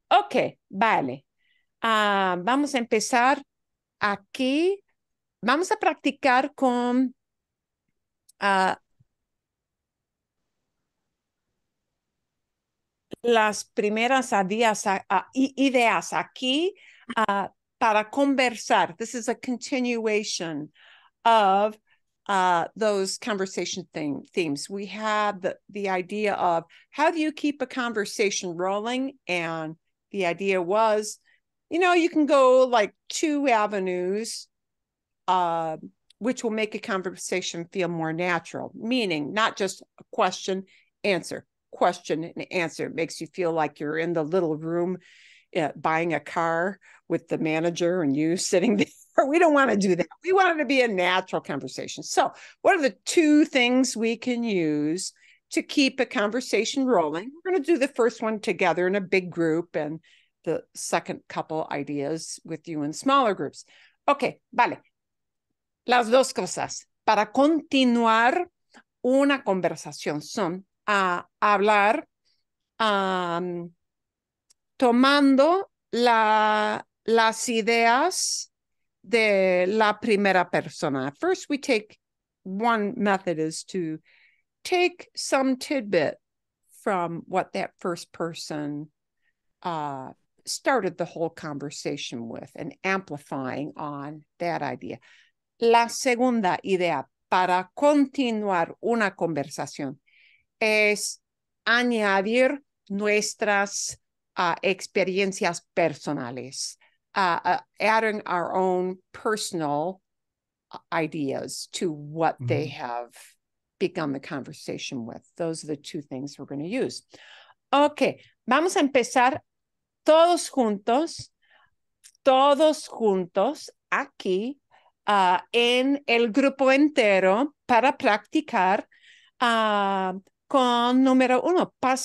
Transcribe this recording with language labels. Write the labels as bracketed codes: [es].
[es] Ok, vale. Vamos a empezar aquí. Vamos a practicar con las primeras ideas aquí para conversar. [en] This is a continuation of those conversation themes. We have the idea of how do you keep a conversation rolling? And the idea was, you know, you can go like two avenues, which will make a conversation feel more natural, meaning not just a question, answer. Question and answer. It makes you feel like you're in the little room buying a car with the manager and you sitting there. We don't want to do that. We want it to be a natural conversation. So what are the two things we can use to keep a conversation rolling? We're going to do the first one together in a big group and the second couple ideas with you in smaller groups. [es] Okay, vale. Las dos cosas para continuar una conversación son a hablar tomando las ideas de la primera persona. [en] First, we take one method is to take some tidbit from what that first person started the whole conversation with and amplifying on that idea. [es] La segunda idea para continuar una conversación es añadir nuestras experiencias personales, [en] adding our own personal ideas to what they have begun the conversation with. Those are the two things we're going to use. [es] Okay, vamos a empezar todos juntos aquí en el grupo entero para practicar con número uno.